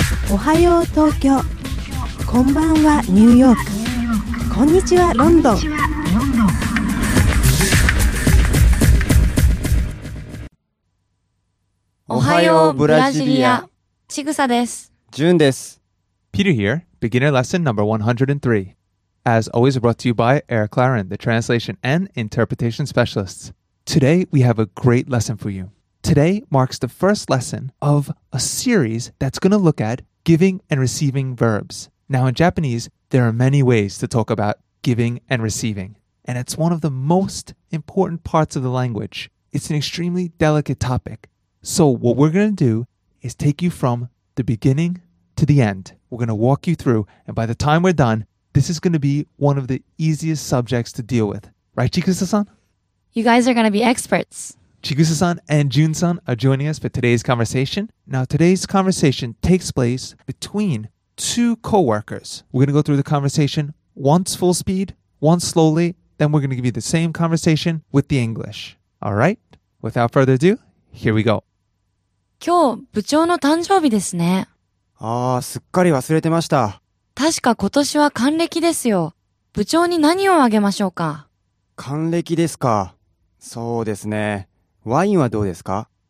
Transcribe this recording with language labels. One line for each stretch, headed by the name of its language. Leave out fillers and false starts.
Japanese: おはよう東京、こんばんはニューヨーク、こんにちはロンドン。おはようブラジリア、ちぐさです。ジュンです。
English: Peter here, beginner lesson number 103. As always brought to you by Air Claren, the translation and interpretation specialists. Today we have a great lesson for you. Today marks the first lesson of a series that's going to look at giving and receiving verbs. Now in Japanese, there are many ways to talk about giving and receiving, and it's one of the most important parts of the language. It's an extremely delicate topic. So what we're going to do is take you from the beginning to the end. We're going to walk you through, and by the time we're done, this is going to be one of the easiest subjects to deal with. Right, Chikusa-san? You guys are going to be experts. Chigusa-san and Jun-san are joining us for today's conversation. Now, today's conversation takes place between two co-workers. We're going to go through the conversation once full speed, once slowly, then we're going to give you the same conversation with the English. All right? Without further ado, here we go.
Japanese: 今日、部長の誕生日ですね。ああ、すっかり忘れてました。確か今年は還暦ですよ。部長に何をあげましょうか？還暦ですか。そうですね。ワインはどうですか？